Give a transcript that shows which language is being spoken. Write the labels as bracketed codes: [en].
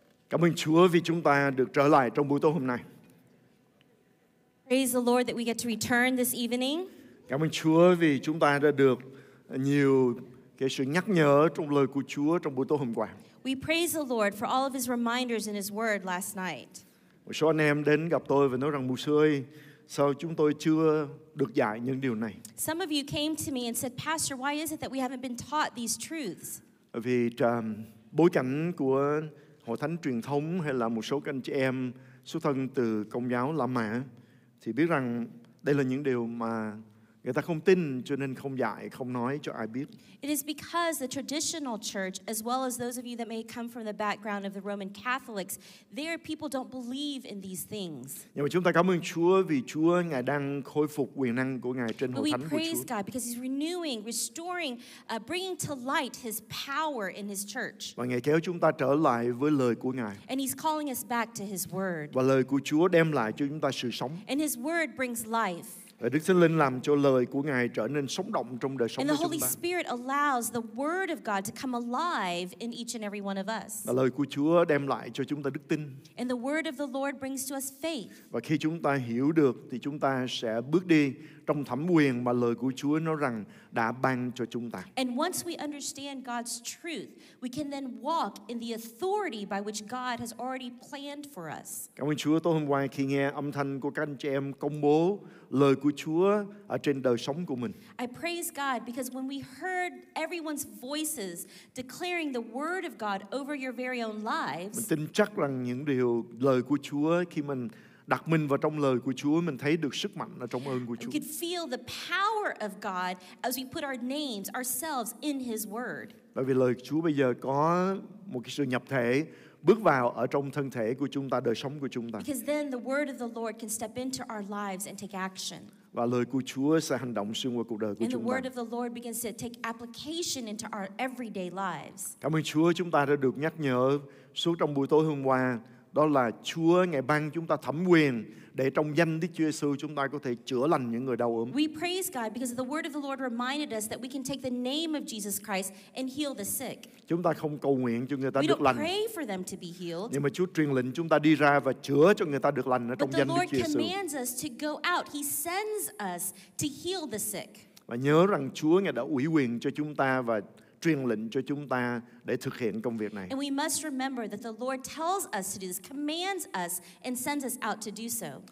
[vi] Cảm ơn Chúa vì chúng ta được trở lại trong buổi tối hôm nay. [en] Praise the Lord that we get to return this evening. [vi] Cảm ơn Chúa vì chúng ta đã được nhiều cái sự nhắc nhở trong lời của Chúa trong buổi tối hôm qua. [en] We praise the Lord for all of His reminders in His Word last night. [vi] Một số anh em đến gặp tôi và nói rằng mục sư ơi, sao chúng tôi chưa được dạy những điều này? [en] Some of you came to me and said, Pastor, why is it that we haven't been taught these truths? [vi] Vì bối cảnh của hội thánh truyền thống hay là một số anh chị em xuất thân từ Công giáo La Mã thì biết rằng đây là những điều mà người ta không tin cho nên không dạy, không nói cho ai biết. [en] It is because the traditional church, as well as those of you that may come from the background of the Roman Catholics, their people don't believe in these things. [vi] Nhưng mà chúng ta cảm ơn Chúa vì Chúa Ngài đang khôi phục quyền năng của Ngài trên hội thánh của Chúa. [en] We praise God because He's renewing, restoring, bringing to light His power in His church. [vi] Và Ngài kéo chúng ta trở lại với lời của Ngài. [en] And He's calling us back to His word. [vi] Và lời của Chúa đem lại cho chúng ta sự sống. [en] And His word brings life. [vi] Và Đức Thánh Linh làm cho lời của Ngài trở nên sống động trong đời sống của chúng ta. [en] And the Holy Spirit allows the word of God to come alive in each and every one of us. [vi] Và lời của Chúa đem lại cho chúng ta đức tin. [en] And the word of the Lord brings to us faith. [vi] Và khi chúng ta hiểu được thì chúng ta sẽ bước đi trong thẩm quyền mà lời của Chúa nói rằng đã ban cho chúng ta. [en] And once we understand God's truth, we can then walk in the authority by which God has already planned for us. [vi] Cảm ơn Chúa, tối hôm qua khi nghe âm thanh của các anh chị em công bố lời của Chúa ở trên đời sống của mình. [en] I praise God because when we heard everyone's voices declaring the word of God over your very own lives, [vi] mình tin chắc rằng những điều lời của Chúa khi mình đặt mình vào trong lời của Chúa, mình thấy được sức mạnh ở trong ơn của Chúa. [en] We can feel the power of God as we put our names, ourselves in His word. [vi] Bởi vì lời Chúa bây giờ có một cái sự nhập thể bước vào ở trong thân thể của chúng ta, đời sống của chúng ta. [en] Because then the word of the Lord can step into our lives and take action. [vi] Và lời của Chúa sẽ hành động xuyên qua cuộc đời của chúng ta. [en] And the word of the Lord begins to take application into our everyday lives. [vi] Cảm ơn Chúa, chúng ta đã được nhắc nhở suốt trong buổi tối hôm qua. Đó là Chúa Ngài ban chúng ta thẩm quyền để trong danh Đức Chúa Giêsu chúng ta có thể chữa lành những người đau ốm. [en] We praise God because the word of the Lord reminded us that we can take the name of Jesus Christ and heal the sick. [vi] Chúng ta không cầu nguyện cho người ta được lành. [en] We don't pray for them to be healed. [vi] Nhưng mà Chúa truyền lệnh chúng ta đi ra và chữa cho người ta được lành ở trong danh Đức Chúa Giêsu. [en] But the Lord commands us to go out. He sends us to heal the sick. [vi] Và nhớ rằng Chúa Ngài đã ủy quyền cho chúng ta và truyền lệnh cho chúng ta để thực hiện công việc này. [en] And we must remember that the Lord tells us to do this, commands us and sends us out to do so.